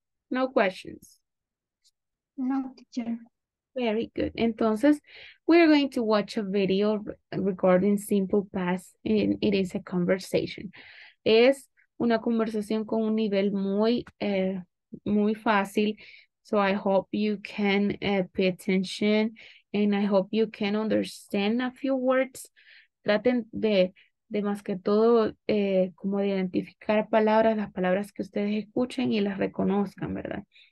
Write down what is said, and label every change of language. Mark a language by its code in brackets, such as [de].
[en] No questions. No, teacher. Very good. Entonces, we are going to watch a video regarding simple past and it is a conversation. [es] Es una conversación con un nivel muy, muy fácil. [en] So I hope you can pay attention and I hope you can understand a few words. [es] Traten de más que todo como de identificar palabras, las palabras que ustedes escuchen y las reconozcan, ¿verdad?